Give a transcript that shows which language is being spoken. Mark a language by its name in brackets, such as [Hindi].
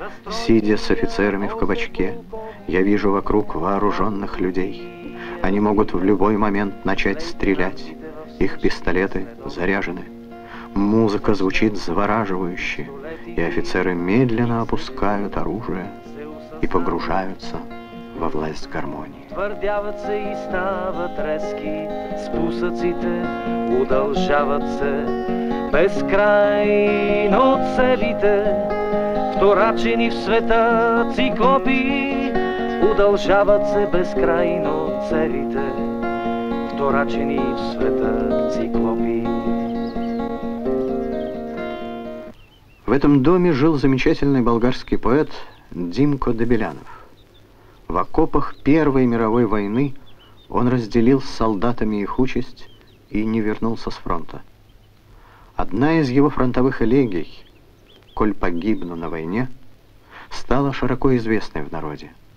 [Russian] Сидя с офицерами в кабачке, я вижу вокруг вооруженных людей. Они могут в любой момент начать стрелять. Их пистолеты заряжены. Музыка звучит завораживающе, и офицеры медленно опускают оружие и погружаются во власть гармонии. [Bulgarian] Твърдяват се и стават резки, спусъците удължават се, безкрайно целите, вторачени в света циклопи, удължават се безкрайно целите, вторачени в света циклопи. [Russian] В этом доме жил замечательный болгарский поэт Димко Дебелянов. В окопах Первой мировой войны он разделил с солдатами их участь и не вернулся с фронта. Одна из его фронтовых элегий «Коль погибну на войне» стала широко известной в народе.